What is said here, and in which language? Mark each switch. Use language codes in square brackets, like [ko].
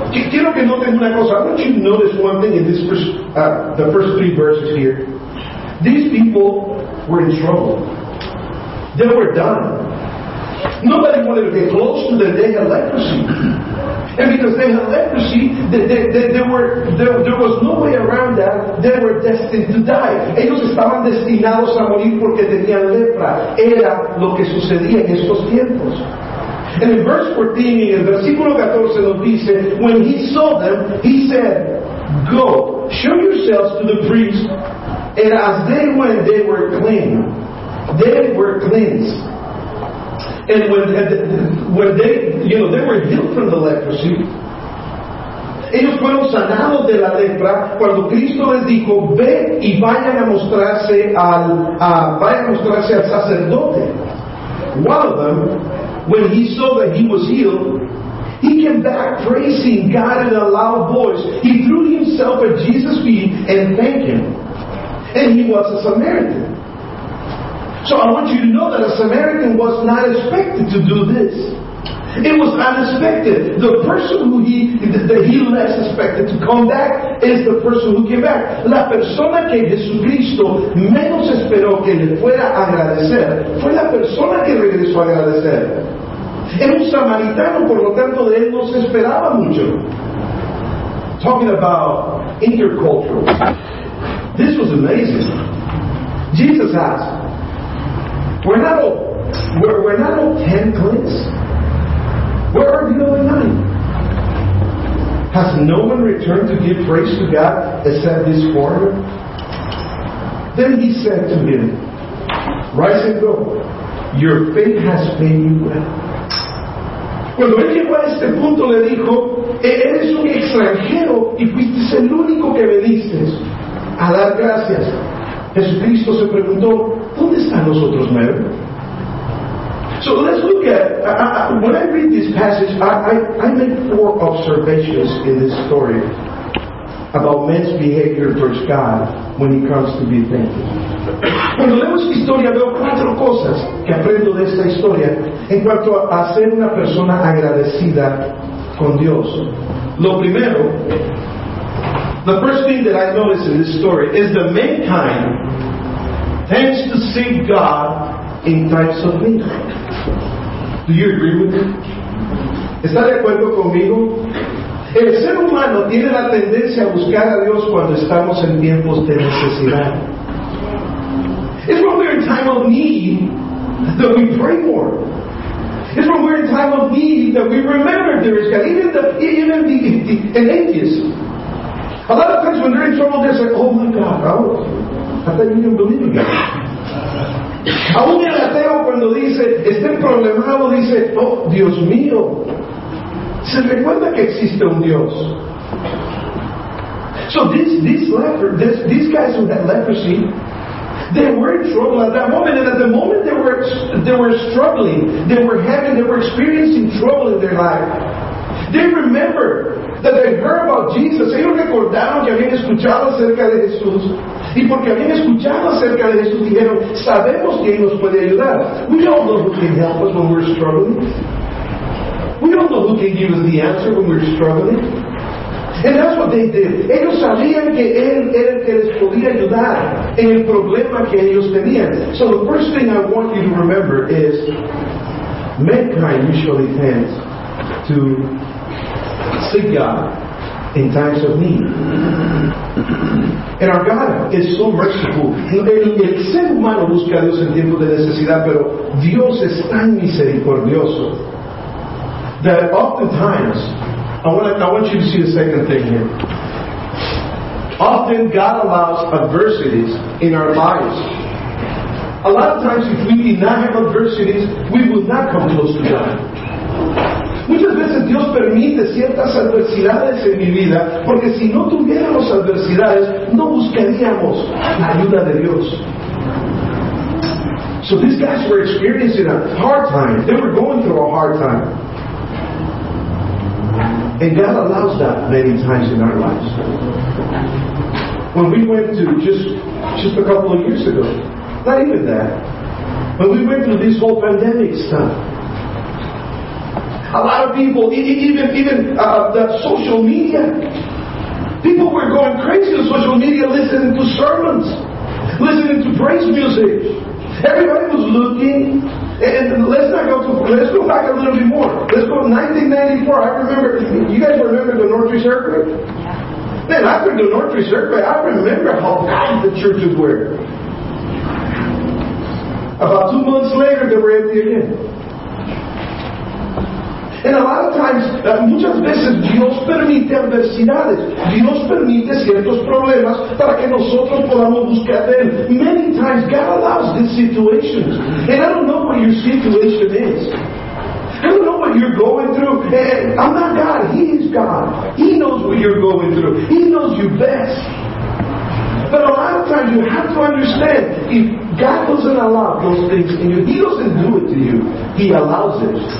[es] Quiero que noten una cosa. [en] I want you to notice one thing in this first three verses here. These people were in trouble. They were done. Nobody wanted to get close to them. They had leprosy. And because they had leprosy, there was no way around that. They were destined to die. [es] Ellos estaban destinados a morir porque tenían lepra. Era lo que sucedía en estos tiempos. [en] And in verse 14, in [es] versículo 14 nos dice, [en] when he saw them, he said, "Go, show yourselves to the priest." And as they went, they were clean. They were cleansed. And when they were healed from the leprosy, [es] ellos fueron sanados de la lepra cuando Cristo les dijo, ve y vayan a mostrarse al sacerdote. [en] One of them, when he saw that he was healed, he came back praising God in a loud voice. He threw himself at Jesus' feet and thanked him. And he was a Samaritan. So I want you to know that a Samaritan was not expected to do this. It was unexpected. The person who he less expected to come back is the person who came back. [es] La persona que Jesucristo menos esperó que le fuera a agradecer fue la persona que regresó a agradecer. Era un samaritano, por lo tanto, de él no se esperaba mucho. [en] Talking about intercultural. This was amazing. Jesus asked, "Were not all 10 cleansed? Where are the other 9? Has no one returned to give praise to God except this foreigner?" Then he said to him, "Rise and go. Your faith has made you well." [es] Cuando él llegó a este punto, le dijo, "Eres un extranjero y fuiste el único que veniste a dar gracias." Jesucristo se preguntó, ¿dónde están los otros 9? [en] So let's look at, when I read this passage, I make four observations in this story about men's behavior towards God when it comes to being thankful. [es] Cuando leo esta historia veo cuatro cosas que aprendo de esta historia en cuanto a ser una persona agradecida con Dios. Lo primero, [en] the first thing that I notice in this story is that mankind tends to seek God in times of need. Do you agree with me? [es] ¿Está de acuerdo conmigo? El ser humano tiene la tendencia a buscar a Dios cuando estamos en tiempos de necesidad. [en] It's when we're in time of need that we pray more. It's when we're in time of need that we remember there is God. Even the an atheist. A lot of times when they're in trouble, they say, "Oh my God, I thought you didn't believe in God." [es] Aún el ateo cuando dice, "Estoy problemado," dice, "Oh Dios mío." Se recuerda que existe un Dios. [en] So these guys who had leprosy, they were in trouble at that moment, and at the moment they were struggling, they were experiencing trouble in their life. They remember that they heard about Jesus. [es] Ellos recordaron que habían escuchado acerca de Jesús, y porque habían escuchado acerca de Jesús, dijeron, sabemos que él nos puede ayudar. [en] We all know who can help us when we're struggling. We all know who can give us the answer when we're struggling. And that's what they did. [es] Ellos sabían que él era el que les podía ayudar en el problema que ellos tenían. [en] So the first thing I want you to remember is mankind usually tends to seek God in times of need. And our God is so merciful. [es] El ser humano busca a Dios en tiempos de necesidad, pero Dios es tan misericordioso [en] that oftentimes, I want you to see the second thing here. Often God allows adversities in our lives. A lot of times if we did not have adversities, we would not come close to God. [es] Muchas veces Dios permite ciertas adversidades en mi vida, porque si no tuviéramos adversidades, no buscaríamos la ayuda de Dios. [en] So these guys were experiencing a hard time. They were going through a hard time. And God allows that many times in our lives. When we went to just a couple of years ago, not even that, when we went through this whole pandemic stuff, a lot of people, even the social media, people were going crazy on social media listening to sermons, listening to praise music. Everybody was looking. And let's go back a little bit more. Let's go to 1994. I remember, you guys remember the Northridge earthquake? Man, after the Northridge earthquake, I remember how bad the churches were. About 2 months later, they were empty again. And a lot of times, [es] muchas veces, Dios permite adversidades. Dios permite ciertos problemas para que nosotros podamos buscar a Él. [en] Many times, God allows these situations. And I don't know what your situation is. I don't know what you're going through. And I'm not God. He is God. He knows what you're going through. He knows you best. But a lot of times, you have to understand, if God doesn't allow those things in you, He doesn't do it to you. He allows it.